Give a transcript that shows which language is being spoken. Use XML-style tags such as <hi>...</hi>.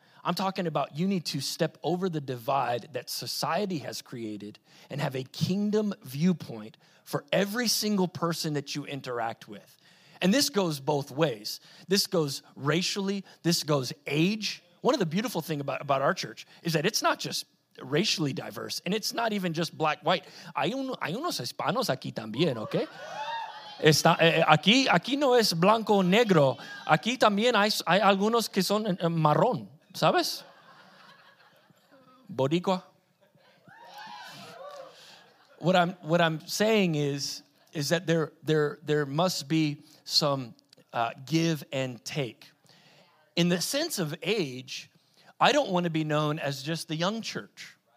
<en>I'm talking about you need to step over the divide that society has created and have a kingdom viewpoint for every single person that you interact with. And this goes both ways. This goes racially. This goes age. One of the beautiful things about our church is that it's not just racially diverse, and it's not even just black, white.</en> <es>Hay unos hispanos aquí también, okay? Está, aquí no es blanco, negro. Aquí también hay algunos que son marrón, ¿sabes? Boricua.</es> <en>What I'm saying is that there must be some give and take. In the sense of age, I don't want to be known as just the young church.</en>